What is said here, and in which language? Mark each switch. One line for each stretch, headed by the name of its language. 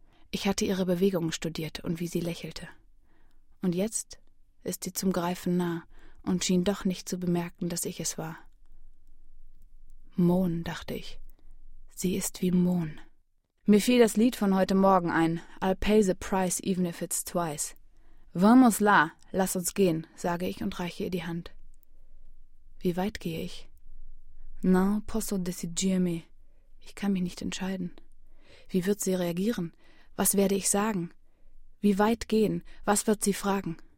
German: Ich hatte ihre Bewegungen studiert und wie sie lächelte. Und jetzt ist sie zum Greifen nah und schien doch nicht zu bemerken, dass ich es war. Mohn, dachte ich. Sie ist wie Mohn. Mir fiel das Lied von heute Morgen ein.
English: I'll pay the price even if it's twice.
Spanish: Vamos la,
German: lass uns gehen, sage ich und reiche ihr die Hand. Wie weit gehe ich?
Italian: Non posso decidermi.
German: Ich kann mich nicht entscheiden. Wie wird sie reagieren? Was werde ich sagen? Wie weit gehen? Was wird sie fragen?